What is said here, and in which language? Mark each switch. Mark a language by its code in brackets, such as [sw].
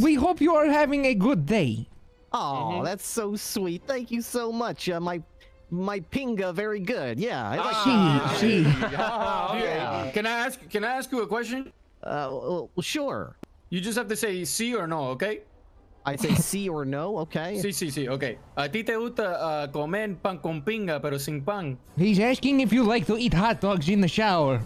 [en] We hope you are having a good day. Oh, that's so sweet. Thank you so much. My pinga, very good. Yeah. Can I ask you a question? Sure. You just have to say sí or no, okay? I say sí or no, okay? [es] Sí, okay. A ti te gusta comer pan con pinga, pero sin pan. [en] He's asking if you like to eat hot dogs in the shower.